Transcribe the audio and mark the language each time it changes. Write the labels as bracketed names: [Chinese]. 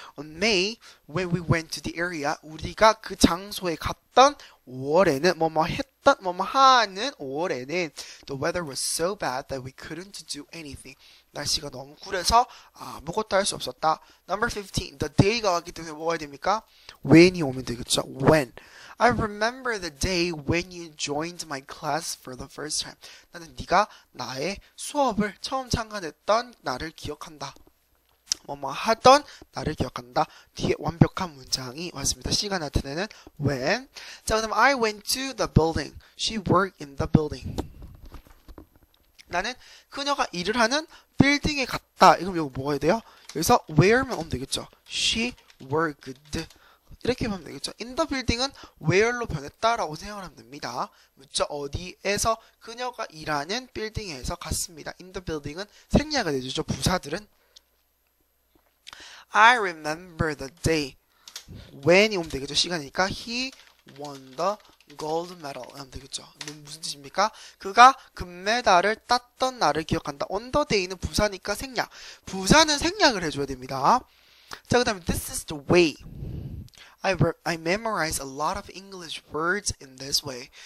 [English] On May, when we went to the area, [Korean] 우리가 그 장소에 갔던 5월에는 뭐뭐 했던 뭐뭐 하는 5월에는 [English] the weather was so bad that we couldn't do anything. [Korean] 날씨가 너무 구려서 아무것도 할수 없었다. Number 15, the day가 왔기 때문에 뭐가 됩니까? When이 오면 되겠죠? When. [English] I remember the day when you joined my class for the first time. [Korean] 나는 네가 나의 수업을 처음 참관했던 나를 기억한다. 뭐뭐 하던 나를 기억한다. 뒤에 완벽한 문장이 왔습니다. 시간 나타내는 [English] when. 자, 그럼 I went to the building. She worked in the building. [Korean] 나는 그녀가 일을 하는 빌딩에 갔다. 이거 이거 뭐가 돼요? 여기서 where만 오면 되겠죠. [English] She worked. [Korean] 이렇게 하면 되겠죠. In the building은 where로 변했다라고 생각하면 됩니다. 묻죠. 어디에서 그녀가 일하는 빌딩에서 갔습니다. In the building은 생략이 되죠. 부사들은. [English] I remember the day when이 [Korean] 오면 되겠죠. 시간이니까 [English] he won the gold medal [Korean] 하면 되겠죠. 무슨 뜻입니까? 그가 금메달을 땄던 날을 기억한다. On the day는 부사니까 생략. 부사는 생략을 해줘야 됩니다. 자, 그 다음에 [English] this is the way. I memorize a lot of English words in this way.